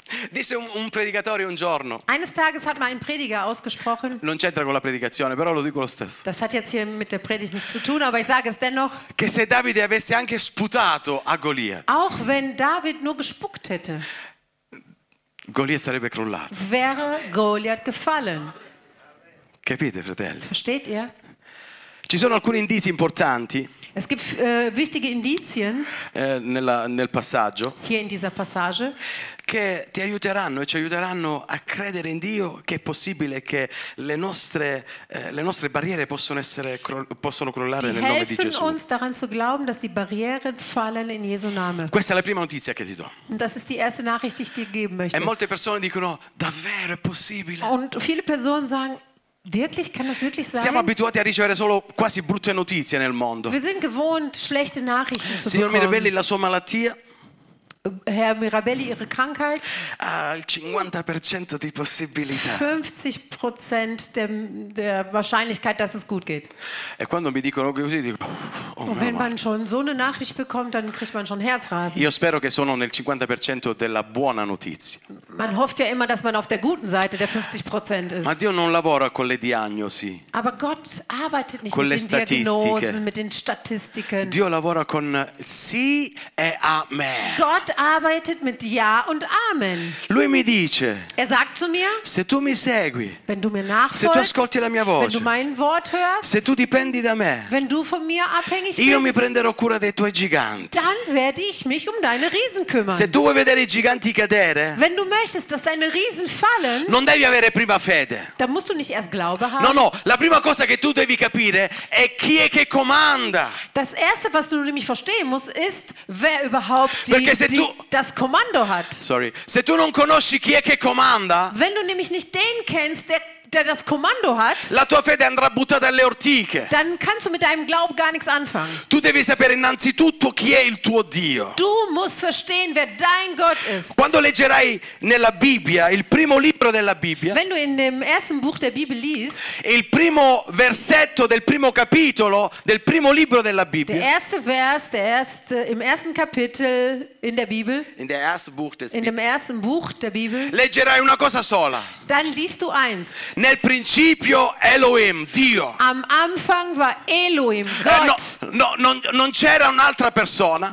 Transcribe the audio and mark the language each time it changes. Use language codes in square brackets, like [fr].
[it] Disse un predicatore un giorno. [de] Eines Tages hat mal ein Prediger ausgesprochen. [it] Non c'entra con la predicazione, però lo dico lo stesso. [de] Das hat jetzt hier mit der Predigt nichts zu tun, aber ich sage es dennoch. [it] Che se Davide avesse anche sputato a Goliath. [de] Auch wenn David nur gespuckt hätte. [it] Goliath sarebbe crollato. [de] Wäre Goliath gefallen. [it] Capite, fratelli? [de] Versteht ihr? [it] Ci sono alcuni indizi importanti. [de] Es gibt wichtige Indizien. [it] Nel passaggio. [de] Hier in dieser Passage. [it] Che ti aiuteranno e ci aiuteranno a credere in Dio che è possibile che le nostre barriere possono crollare [de] die [it] nel nome di Gesù. [de] Uns daran zu glauben, dass die Barrieren fallen in Jesu Name. [it] Questa è la prima notizia che ti do. [de] Das ist die erste Nachricht, die ich dir geben möchte. [it] E molte persone dicono davvero è possibile. [de] Und viele Personen sagen wirklich, kann das wirklich sein? [it] Siamo abituati a ricevere solo quasi brutte notizie nel mondo. [de] Wir sind gewohnt schlechte Nachrichten zu bekommen. [it] Signor Mirabelli, la sua malattia. [de] Herr Mirabelli, Ihre Krankheit? [it] Al 50% di possibilità. [de] 50% der Wahrscheinlichkeit, dass es gut geht. [it] E quando mi dicono così, dico, [de] und wenn man schon so eine Nachricht bekommt, dann kriegt man schon Herzrasen. [it] Io spero che sono nel 50% della buona notizia. [de] Man hofft ja immer, dass man auf der guten Seite der 50% ist. [it] Ma Dio non lavora con le diagnosi. [de] Aber Gott arbeitet nicht [it] con [de] mit den [it] statistiche. [de] Diagnosen, mit den Statistiken. [it] Dio lavora con sì e amen. [de] Gott arbeitet mit Ja und Amen. [it] Lui mi dice, [de] er sagt zu mir, [it] se tu mi segui, [de] wenn du mir nachfolgst, [it] se tu ascolti la mia voce, [de] wenn du mein Wort hörst, [it] se tu dipendi da me, [de] wenn du von mir abhängig [it] io mi prenderò cura dei tuoi giganti, [de] dann werde ich mich um deine Riesen kümmern. [it] Se tu vuoi vedere i giganti cadere, [de] wenn du möchtest, dass deine Riesen fallen, [it] non devi avere prima fede. [de] Dann musst du nicht erst Glaube haben. [it] No, no, la prima cosa che tu devi capire è chi è che comanda. [de] Das erste, was du nämlich verstehen musst, ist, wer überhaupt das Kommando hat. [en] Sorry. [it] Se tu non conosci chi è che comanda, [de] wenn du nämlich nicht den kennst, der der das Kommando hat, [it] la tua fede andrà buttata dalle ortiche. [de] Dann kannst du mit deinem Glauben gar nichts anfangen. [it] Tu devi sapere innanzitutto chi è il tuo Dio. [de] Du musst verstehen, wer dein Gott ist. [it] Quando leggerai nella Bibbia, il primo libro della Bibbia, [de] wenn du in dem ersten Buch der Bibel liest, [it] il primo versetto del primo capitolo del primo libro della Bibbia, [de] der erste Vers, der erste, im ersten Kapitel in der Bibel, in, der erste Buch des in Bibel, dem ersten Buch der Bibel, [it] leggerai una cosa sola. [de] Dann liest du eins. [it] Nel principio Elohim, Dio. [de] Am Anfang war Elohim, Gott. [it] Non c'era un'altra persona.